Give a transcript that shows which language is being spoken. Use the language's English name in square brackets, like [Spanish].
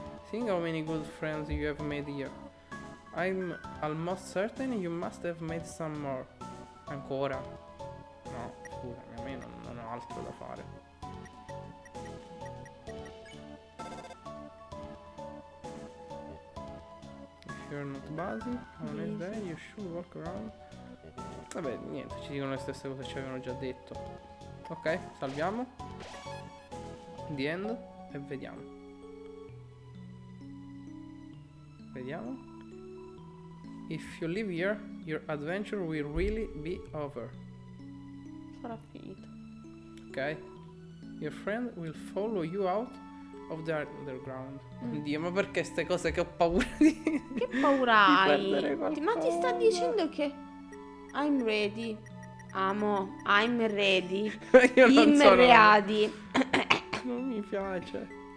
[English] Seeing how many good friends you have made here, I'm almost certain you must have made some more. [Italian] Ancora? No, scusami, a me non ho altro da fare. [English] If you're not busy, on a day, you should walk around. [Italian] Vabbè, niente, ci dicono le stesse cose che ci avevano già detto. Ok, salviamo. [English] The end. [Italian] E vediamo. Vediamo. [English] If you live here, your adventure will really be over. [Italian] Sarà finito. Ok. [English] Your friend will follow you out of the underground. [Italian] Oddio, ma perché ste cose che ho paura di... Che paura hai? Ma ti sta dicendo che... [English] I'm ready. Amo, I'm ready. [Italian] Io non [English] I'm [Italian] sono [English] ready. [Italian] Non mi piace.